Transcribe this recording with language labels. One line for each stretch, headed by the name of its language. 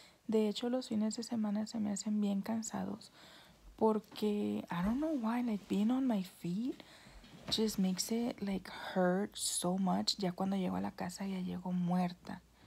Spanish: De hecho, los fines de semana se me hacen bien cansados.
English: Porque, I don't know why, like, being on my feet just makes it, like, hurt so much.
Spanish: Ya cuando llego a la casa ya llego muerta.